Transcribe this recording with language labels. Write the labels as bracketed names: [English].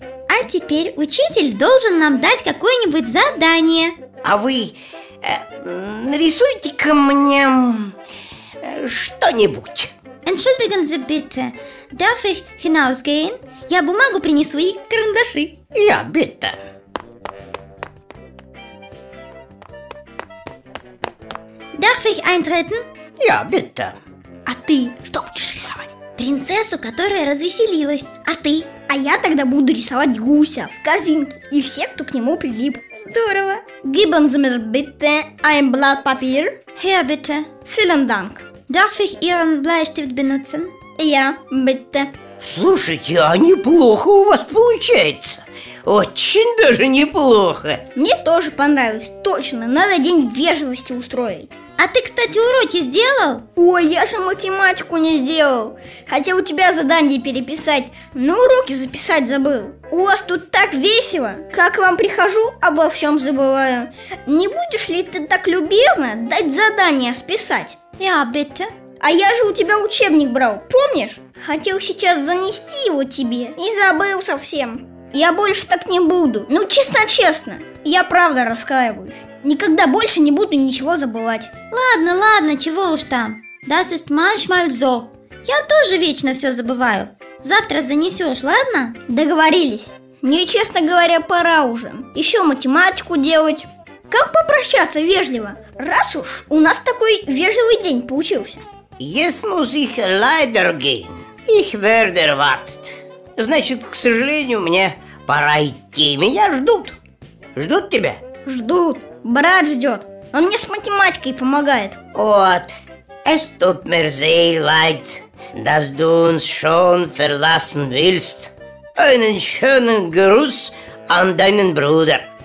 [Russian] А теперь учитель должен нам дать какое-нибудь задание. А вы нарисуйте-ка мне что-нибудь. [German] Entschuldigen Sie bitte, darf ich hinausgehen? [Russian] Я бумагу принесу и карандаши. [German] Ja, bitte. Darf ich eintreten? Ja, bitte. [Russian] А ты что будешь рисовать? Принцессу, которая развеселилась. А ты? А я тогда буду рисовать гуся в корзинке и всех, кто к нему прилип. Здорово. [German] Geben Sie mir bitte ein Blatt Papier. Hier bitte. Vielen Dank. Darf ich Ihren Bleistift benutzen? Ja, bitte. [Russian] Слушайте, а неплохо у вас получается. Очень даже неплохо. Мне тоже понравилось. Точно, надо день вежливости устроить. А ты, кстати, уроки сделал? Ой, я же математику не сделал. Хотел у тебя задание переписать, но уроки записать забыл. У вас тут так весело. Как вам прихожу, обо всем забываю. Не будешь ли ты так любезно дать задание списать? [German] Я, bitte. [Russian] А я же у тебя учебник брал, помнишь? Хотел сейчас занести его тебе и забыл совсем. Я больше так не буду. Ну, честно-честно, я правда раскаиваюсь. Никогда больше не буду ничего забывать. Ладно, ладно, чего уж там. [German] Das ist manchmal so. [Russian] Я тоже вечно все забываю. Завтра занесешь, ладно? Договорились. Мне, честно говоря, пора уже. Еще математику делать. Как попрощаться вежливо? Раз уж у нас такой вежливый день получился. [German] Jetzt muss ich leider gehen. Ich werde erwartet. [Russian] Значит, к сожалению, мне пора идти. Меня ждут. Ждут тебя? Ждут. Брат ждет. Он мне с математикой помогает. Вот. [German] Es tut mir sehr leid, dass du uns schon verlassen willst. Einen schönen Gruß an deinen Bruder.